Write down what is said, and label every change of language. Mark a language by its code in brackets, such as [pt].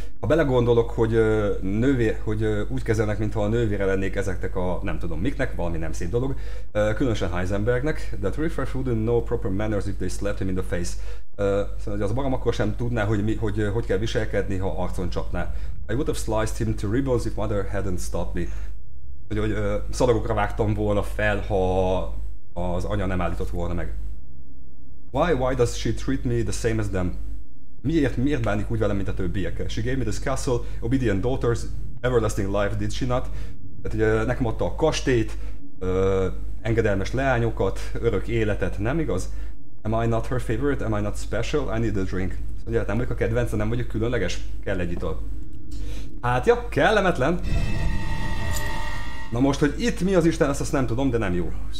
[hu] Ha belegondolok, hogy nővér, hogy úgy kezelnek, mintha a nővére lennék ezeknek a nem tudom miknek, valami nem szép dolog, különösen Heisenbergnek, [en] that refresh wouldn't know proper manners if they slapped him in the face. [hu] Szóval, hogy az magam akkor sem tudná, hogy mi, hogy, hogy kell viselkedni, ha arcon csapná. [en] I would have sliced him to ribbons if mother hadn't stopped me. [hu] Hogy, hogy szalagokra vágtam volna fel, ha az anya nem állított volna meg. [en] Why does she treat me the same as them? [hu] Miért bánik úgy velem, mint a többiek? [en] She gave me this castle, obedient daughters, everlasting life, did she not? [hu] Tehát ugye nekem adta a kastélyt, engedelmes leányokat, örök életet, nem igaz? [en] Am I not her favorite? Am I not special? I need a drink. [hu] Ugye hát nem vagyok a kedvence, nem vagyok különleges. Kell egy ital. Hát ja, kellemetlen. Na most, hogy itt mi az Isten, azt nem tudom, de nem jó.